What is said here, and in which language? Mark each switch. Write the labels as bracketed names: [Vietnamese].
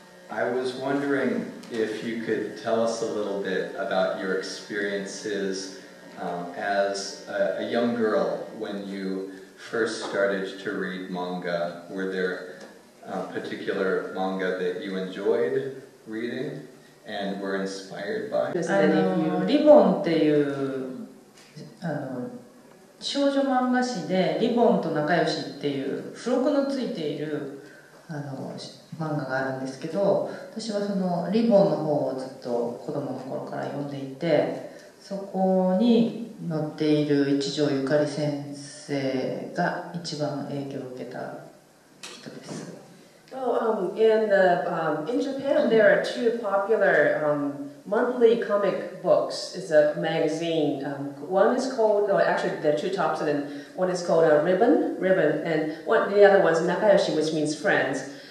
[English] I was wondering if you could tell us a little bit about your experiences as a young girl when you first started to read manga. Were there particular manga that you enjoyed reading and were inspired by? [Japanese] リボンっていう少女漫画誌で、リボンと仲良しっていう付録のついている漫画があるんですけど、私はそのリボンの方をずっと子供の頃から読んでいて、そこに載っている一条ゆかり先生が一番影響を受けた人です。 [English] In Japan, there are two popular monthly comic books. It's a magazine. One is called, there are two tops, and one is called Ribbon, and the other one is Nakayoshi, which means friends.